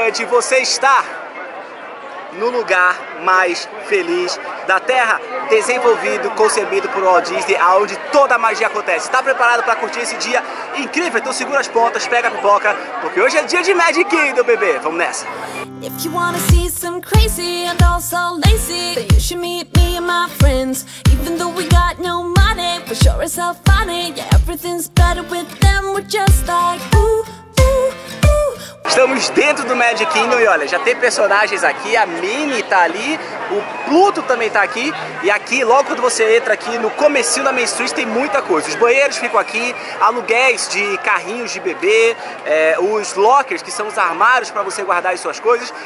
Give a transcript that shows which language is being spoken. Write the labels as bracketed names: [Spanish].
[Portuguese] Você está no lugar mais feliz da Terra, desenvolvido, concebido por Walt Disney, onde toda a magia acontece. Está preparado para curtir esse dia incrível? Então segura as pontas, pega a pipoca, porque hoje é dia de Magic Kingdom, bebê. Vamos nessa. [English] If you wanna see some crazy and also lazy, then you should meet me and my friends. Even though we got no money, for sure it's all funny. Yeah, everything's better with them, we're just like ooh, ooh, ooh. [Portuguese] Estamos dentro do Magic Kingdom e olha, já tem personagens aqui, a Minnie tá ali, o Pluto também tá aqui. E aqui, logo quando você entra aqui no comecinho da Main Street, tem muita coisa. Os banheiros ficam aqui, aluguéis de carrinhos de bebê, os lockers, que são os armários para você guardar as suas coisas.